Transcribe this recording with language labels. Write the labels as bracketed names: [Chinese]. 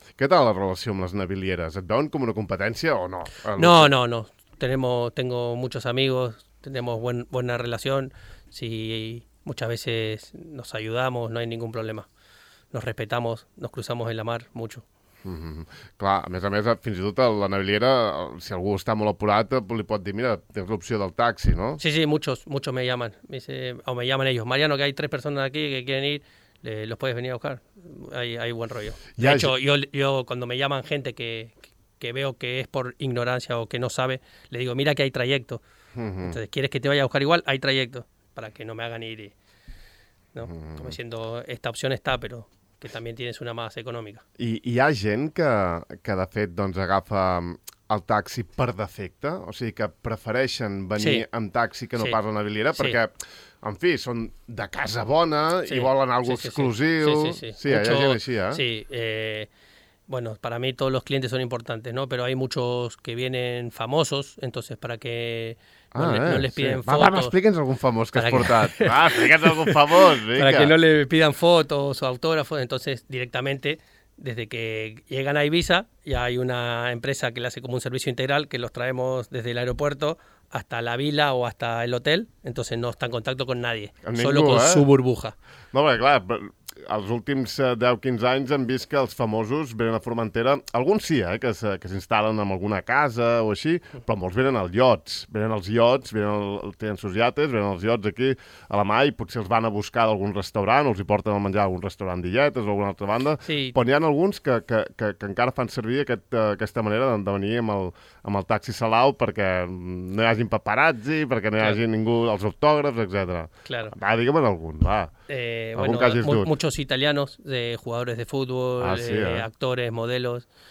[Spanish] ¿Qué tal la relación con las navilieras? [Catalan] ¿Et veuen [Spanish] como una competencia o no? No. Tengo muchos amigos, tenemos buena relación, sí, muchas veces nos ayudamos, no hay ningún problema. Nos respetamos, nos cruzamos en la mar mucho. Mm-hmm. [Catalan] Clar, a més, fins i tot la naviliera, si algú està molt apurat, li pot dir, mira, tens l'opció del taxi, no? [Spanish] Sí, muchos me llaman. Me llaman ellos, Mariano, que hay 3 personas aquí que quieren ir, los puedes venir a buscar. Hay buen rollo. Ya, de hecho, yo cuando me llaman gente que veo que es por ignorancia o que no sabe, le digo, mira que hay trayecto. Uh-huh. Entonces, ¿quieres que te vaya a buscar igual? Hay trayecto, para que no me hagan ir. ¿No? Uh-huh. Como diciendo, esta opción está, pero que también tienes una más económica. [Catalan] I hi ha gent que de fet, doncs, agafa el taxi per defecte? O sigui, que prefereixen venir amb taxi que no pas a la naviliera? Perquè, en fi, són de casa bona i volen algo exclusiu. Sí. Hi ha gent així, [Spanish] Sí, bueno, para mí todos los clientes son importantes, ¿no? Pero hay muchos que vienen famosos, entonces para que no les piden fotos... [Catalan] Va, explica'ns algun famós que has portat. Explica'ns algun famós, vinga. [Spanish] Para que no le pidan fotos o autógrafos, entonces directamente, desde que llegan a Eivissa, ya hay una empresa que le hace como un servicio integral, que los traemos desde el aeropuerto hasta la vila o hasta el hotel, entonces no está en contacto con nadie, solo con su burbuja. [Catalan] No, bé, clar, els últims 10-15 anys hem vist que els famosos venen a Formentera, alguns sí, que s'instal·len en alguna casa o així, però molts venen als iots, tenen sus iates, venen els iots aquí a la mà i potser els van a buscar d'algun restaurant o els hi porten a menjar a algun restaurant d'illetes o alguna altra banda, sí. Però n'hi ha alguns que encara fan servir aquesta manera de venir amb el taxi Salau perquè no hi hagin paparazzi, perquè no hi hagi ningú, els autògrafs, etc. [Spanish] Claro. [Catalan] Va, digue'm-ne algun, va. [Spanish] Muchos italianos, de jugadores de fútbol, actores, modelos.